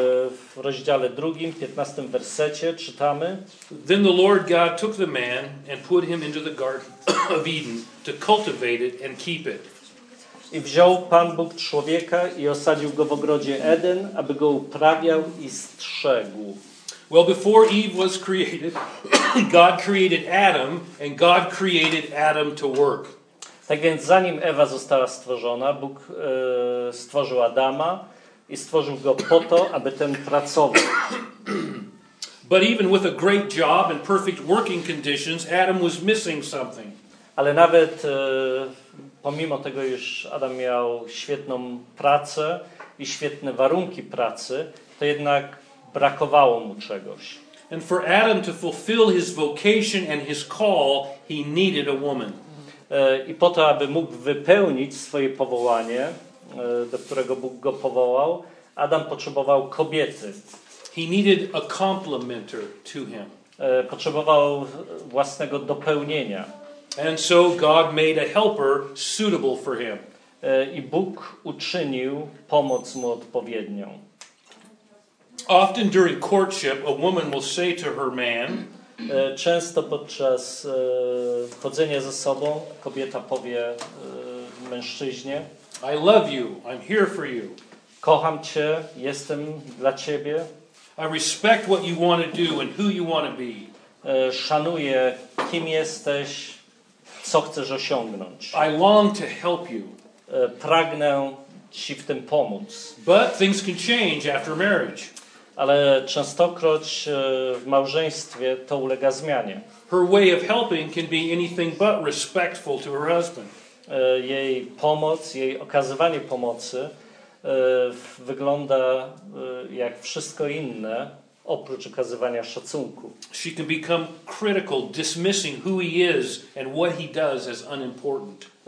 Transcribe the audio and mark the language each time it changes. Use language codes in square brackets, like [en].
[pl] W rozdziale 2, 15 wersecie czytamy. [en] Then the Lord God took the man and put him into the garden of Eden to cultivate it and keep it. [pl] I wziął Pan Bóg człowieka i osadził go w ogrodzie Eden, aby go uprawiał i strzegł. [en] Well, before Eve was created, God created Adam and God created Adam to work. [pl] Tak więc zanim Ewa została stworzona, Bóg stworzył Adama i stworzył go po to, aby ten pracował. [en] But even with a great job and perfect working conditions, Adam was missing something. [pl] Ale nawet pomimo tego, iż Adam miał świetną pracę i świetne warunki pracy, to jednak brakowało mu czegoś. [en] And for Adam to fulfill his vocation and his call, he needed a woman. [pl] I po to, aby mógł wypełnić swoje powołanie, do którego Bóg go powołał, Adam potrzebował kobiety. [en] He needed a complementer to him. [pl] Potrzebował własnego dopełnienia. [en] And so God made a helper suitable for him. [pl] I Bóg uczynił pomoc mu odpowiednią. [en] Often during courtship, a woman will say to her man. [pl] Często podczas chodzenia ze sobą kobieta powie mężczyźnie: [en] I love you, I'm here for you. [pl] Kocham cię, jestem dla ciebie. [en] I respect what you want to do and who you want to be. [pl] Szanuję, kim jesteś, co chcesz osiągnąć. [en] I long to help you. [pl] Pragnę ci w tym pomóc. [en] But things can change after marriage. [pl] Ale częstokroć w małżeństwie to ulega zmianie. [en] Her way of helping can be anything but respectful to her husband. [pl] Jej pomoc, jej okazywanie pomocy wygląda jak wszystko inne oprócz okazywania szacunku. [en] She can become critical, dismissing who he is and what he does as unimportant.